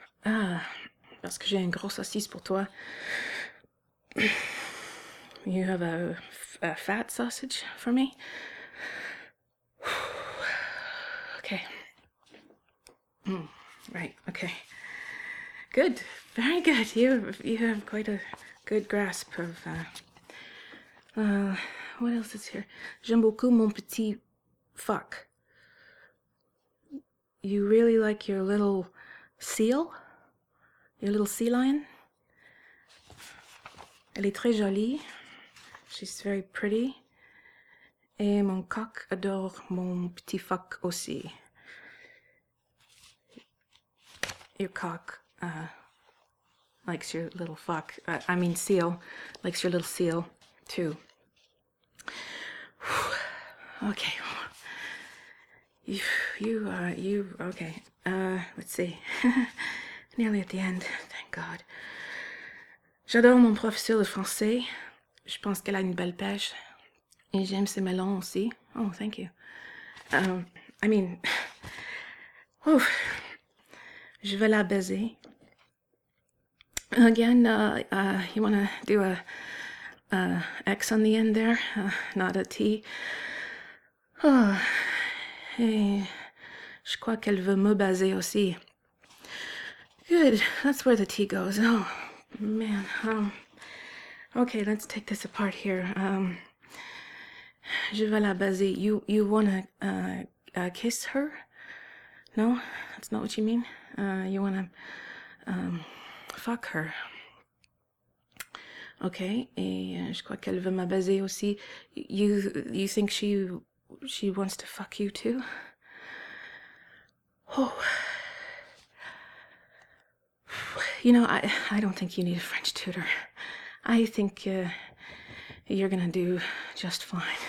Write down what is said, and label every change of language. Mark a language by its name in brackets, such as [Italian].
[French] Parce que j'ai une grosse saucisse pour toi. [English] You have a fat sausage for me? Okay. Right, okay. Good. Very good. You have quite a good grasp of what else is here? [French] J'aime beaucoup mon petit phoque. [English] You really like your little seal? Your little sea lion? [French] Elle est très jolie. [English] She's very pretty. [French] Et mon coq adore mon petit phoque aussi. [English] Your cock likes your little fuck. I mean, seal likes your little seal too. Okay. You okay? Let's see. Nearly at the end. Thank God. [French] J'adore mon professeur de français. Je pense qu'elle a une belle pêche. Et j'aime ses melons aussi. [English] Oh, thank you. I mean, oh. [French] Je vais la baiser. [English] Again, you want to do a X on the end there, not a T. [French] Oh, hey, je crois qu'elle veut me baser aussi. [English] Good, that's where the T goes. Oh, man. Okay, let's take this apart here. [French] Je vais la baser. [English] You want to kiss her? No, that's not what you mean. You want to fuck her. [French] Okay, et je crois qu'elle veut me baser aussi. [English] You think she wants to fuck you too? Oh. You know, I don't think you need a French tutor. I think you're gonna do just fine.